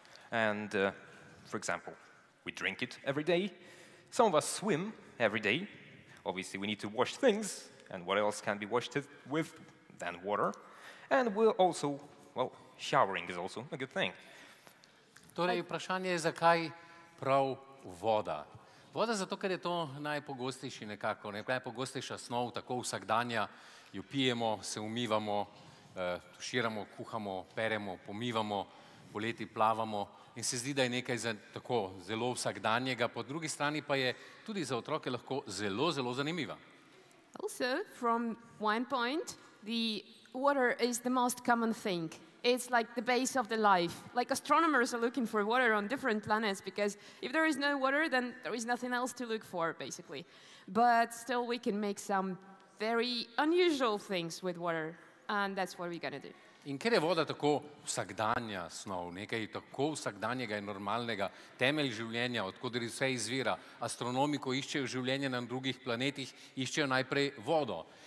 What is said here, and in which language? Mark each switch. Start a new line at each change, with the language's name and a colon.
English: And, for example, we drink it every day. Some of us swim every day. Obviously, we need to wash things, and what else can be washed with than water? And we're also, well, showering is also a good thing.
Slovenian: Torej, vprašanje je, zakaj prav voda? Voda zato, ker je to najpogostejši nekako, najpogostejša snov, tako vsakdanja, jo pijemo, se umivamo, tuširamo, kuhamo, peremo, pomivamo, poleti plavamo in se zdi, da je nekaj za, tako zelo vsakdanjega, po drugi strani pa je tudi za otroke lahko zelo, zelo zanimiva.
English: Also, from one point, the water is the most common thing. It's like the base of the life. Like astronomers are looking for water on different planets because if there is no water, then there is nothing else to look for, basically. But still, we can make some very unusual things with water, and that's what we're going to do.
Slovenian: In ker je voda tako vsakdanja snov, nekaj tako vsakdanjega in normalnega, temelj življenja, odkudri vse izvira, astronomi, ko iščejo življenje na drugih planetih, iščejo najprej vodo.